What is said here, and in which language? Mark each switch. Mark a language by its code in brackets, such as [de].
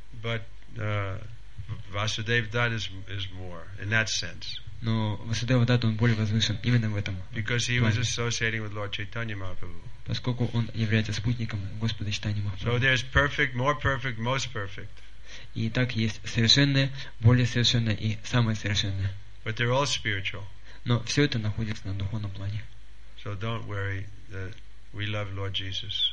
[en] But Vasudevdat is more in that sense. [ru] Но Васудева-дат, он более возвышен именно в этом. [en] Because he was associating with Lord Chaitanya Mahaprabhu. [ru] Поскольку он является спутником Господа Чайтаньи Махапрабху. [en] So there's perfect, more perfect, most perfect. [ru] И так есть совершенное, более совершенное и самое совершенное. [en] But they're all spiritual. [ru] Но все это находится на духовном плане. [en] So don't worry, we love Lord Jesus.